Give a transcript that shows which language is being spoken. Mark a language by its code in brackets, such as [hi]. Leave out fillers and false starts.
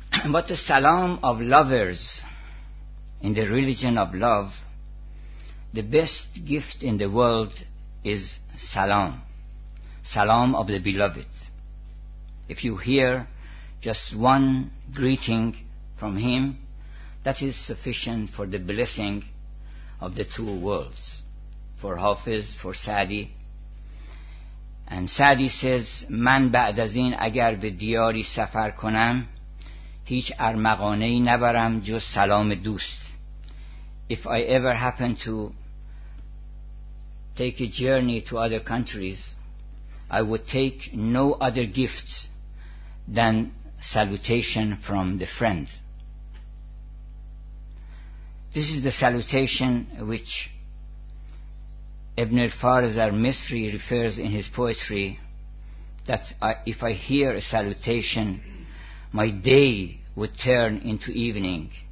[en] But the salam of lovers in the religion of love, the best gift in the world is salam, salam of the beloved. If you hear just one greeting from him, that is sufficient for the blessing of the two worlds, for Hafiz, for Saadi. And Saadi says, [fa] من بعد از این اگر به دیاری سفر کنم هیچ ارمغانه ای نبرم جز سلام دوست. [en] If I ever happen to take a journey to other countries, I would take no other gift than salutation from the friend. This is the salutation which Ibn al-Fariz al-Misri refers in his poetry, that if I hear a salutation, my day would turn into evening.